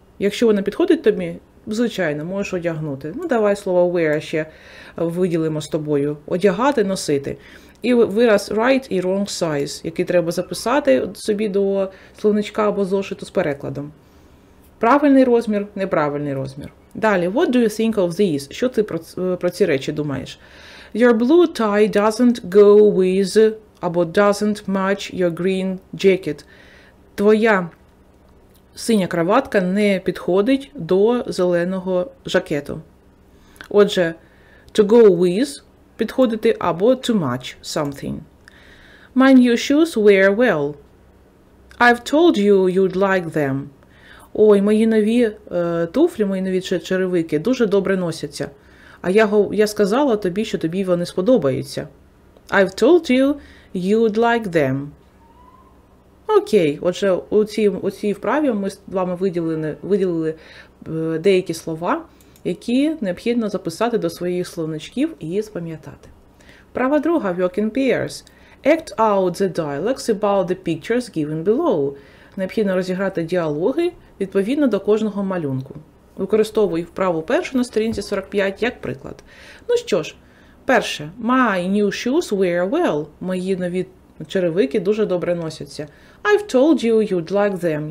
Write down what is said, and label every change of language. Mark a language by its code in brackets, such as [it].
[uk] Якщо вона підходить тобі, звичайно, можеш одягнути. Ну, давай слово wear ще виділимо з тобою. Одягати, носити. І вираз right і wrong size, який треба записати собі до словничка або зошиту з перекладом. Правильний розмір, неправильний розмір. Далі. [en] What do you think of this? [uk] Що ти про ці речі думаєш? [en] Your blue tie doesn't go with [uk] або [en] doesn't match your green jacket. [uk] Твоя синя краватка не підходить до зеленого жакету. Отже, [en] to go with [uk] – підходити або [en] to match something. Mind your shoes wear well. I've told you you'd like them. [uk] Ой, мої нові туфлі, мої нові черевики дуже добре носяться. А я сказала тобі, що тобі вони сподобаються. [en] I've told you you'd like them. [uk] Окей, отже, у цій вправі ми з вами виділили деякі слова, які необхідно записати до своїх словничків і спам'ятати. Вправа друга. [en] Work in pairs. Act out the dialogues about the pictures given below. [uk] Необхідно розіграти діалоги відповідно до кожного малюнку. Використовую вправу першу на сторінці 45 як приклад. Ну що ж, перше. [en] My new shoes wear well. [uk] Мої нові черевики дуже добре носяться. [en] I've told you you'd like them.